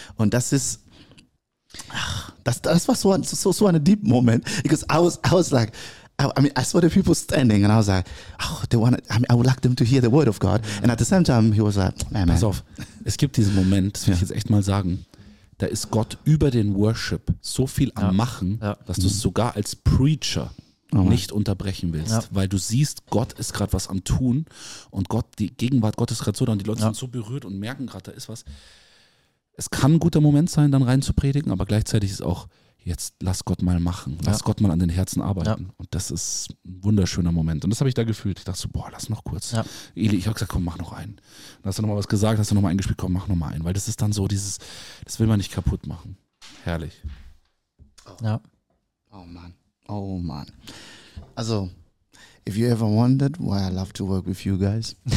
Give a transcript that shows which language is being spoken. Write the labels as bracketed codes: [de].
[de] Und das ist, das war so ein deep Moment, [en] because I was like, I mean, I saw the people standing, and I was like, oh, they want. I mean, I would like them to hear the word of God. Mm-hmm. And at the same time, he was like, man. [de] Pass auf, es gibt diesen Moment, das will ich jetzt echt mal sagen, da ist Gott über den Worship so viel am Machen, dass du es sogar als Preacher nicht unterbrechen willst, weil du siehst, Gott ist gerade was am Tun, und Gott, die Gegenwart Gottes ist gerade so da, und die Leute sind so berührt und merken gerade, da ist was. Es kann ein guter Moment sein, dann rein zu predigen, aber gleichzeitig ist auch, jetzt lass Gott mal machen, lass Gott mal an den Herzen arbeiten. Ja. Und das ist ein wunderschöner Moment. Und das habe ich da gefühlt. Ich dachte so, boah, lass noch kurz. Ja. Eli, ich habe gesagt, komm, mach noch einen. Dann hast du nochmal was gesagt, hast du nochmal eingespielt, komm, mach nochmal einen. Weil das ist dann so dieses, das will man nicht kaputt machen. Herrlich. Oh. Ja. Oh Mann. [en] Also, if you ever wondered why I love to work with you guys.